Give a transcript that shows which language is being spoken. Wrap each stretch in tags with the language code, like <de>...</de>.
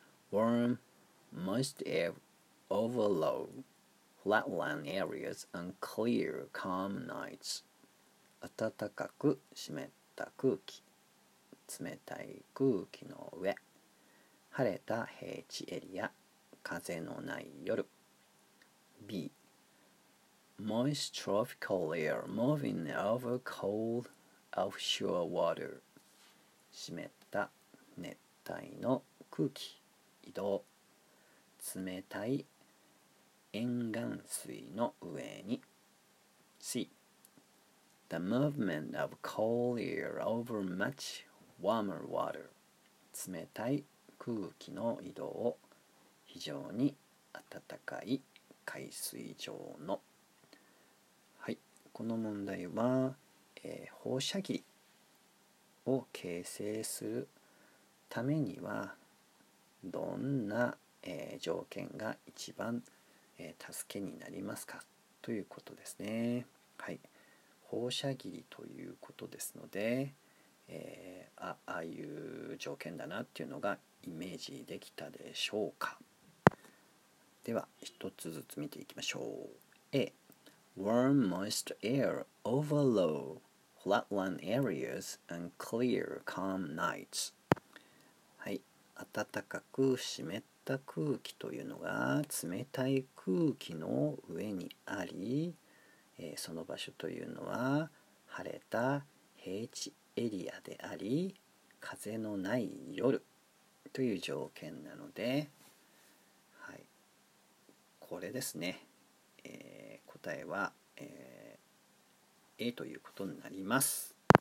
<en>Warm, moist air overload, flatland areas and clear, calm nights.</en> <ja>暖かく湿った。冷たい空気の上、晴れた平地エリア、風のない夜。</ja> <en>B. Moist tropical air moving over cold offshore water.</en> <ja>湿った熱帯の空気、移動。冷たい沿岸水の上に。C.</ja> <en>The movement of cold air over much warmer water.</en> <ja>冷たい空気の移動を非常に暖かい海水上の。はい、この問題は、放射霧を形成するためにはどんな、条件が一番、助けになりますかということですね。はい。放射霧ということですので、ああいう条件だなっていうのがイメージできたでしょうか。では一つずつ見ていきましょう。</ja> <en>A. Warm moist air overload flatland areas and clear calm nights.</en> <ja>はい、暖かく湿った空気というのが冷たい空気の上にあり、その場所というのは晴れた平地エリアであり、風のない夜という条件なので、はい、これですね、答えは、A ということになります。</ja>